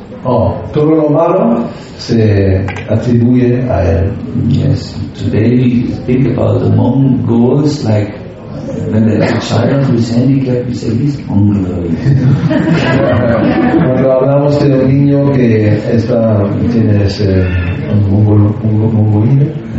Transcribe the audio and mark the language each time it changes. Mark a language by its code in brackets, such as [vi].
[es] Oh, todo lo malo se atribuye a él. [en] Yes. Today we think about the Mongols, like when there's a child who is handicapped, we say he's Mongoloid. [es] Cuando hablamos de un niño que está, tiene ese mongoloide.